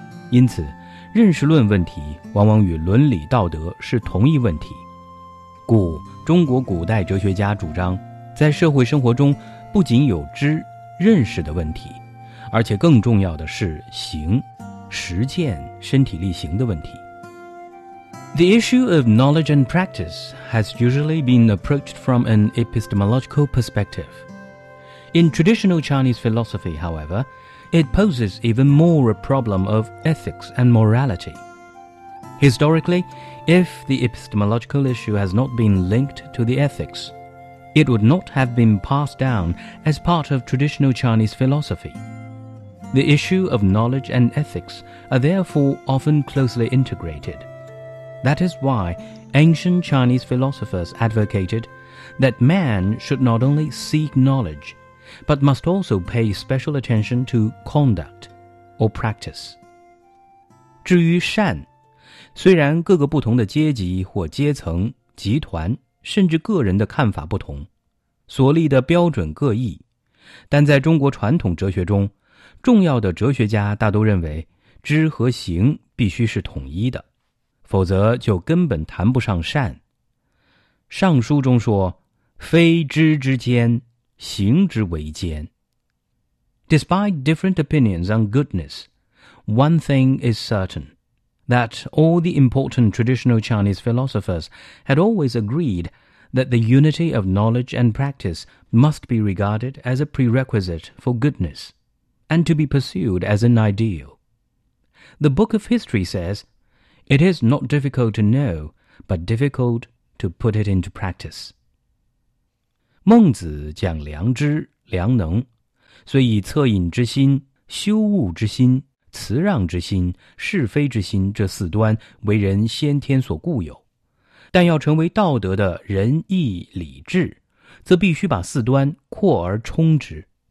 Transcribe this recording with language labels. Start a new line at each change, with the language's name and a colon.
Chinese: 因此，认识论问题往往与伦理道德是同一问题。故中国古代哲学家主张，在社会生活中不仅有知、认识的问题，而且更重要的是行、实践、身体力行的问题。
English: The issue of knowledge and practice has usually been approached from an epistemological perspective. In traditional Chinese philosophy, however, it poses even more a problem of ethics and morality. Historically, if the epistemological issue has not been linked to the ethics, it would not have been passed down as part of traditional Chinese philosophy. The issue of knowledge and ethics are therefore often closely integrated. That is why ancient Chinese philosophers advocated that man should not only seek knowledge, but must also pay special attention to conduct or practice.
Chinese: 至于善，虽然各个不同的阶级或阶层、集团，甚至个人的看法不同，所立的标准各异，但在中国传统哲学中，重要的哲学家大都认为知和行必须是统一的。否则就根本谈不上善。尚书中说，非知之间，行之为间。
English: Despite different opinions on goodness, one thing is certain, that all the important traditional Chinese philosophers had always agreed that the unity of knowledge and practice must be regarded as a prerequisite for goodness, and to be pursued as an ideal. The Book of History says,It is not difficult to know, but difficult to put it into practice.
Chinese: 孟子讲良知、良能，虽以恻隐之心、羞恶之心、辞让之心、是非之心这四端为人先天所固有，但要成为道德的仁义礼智，则必须把四端扩而充之。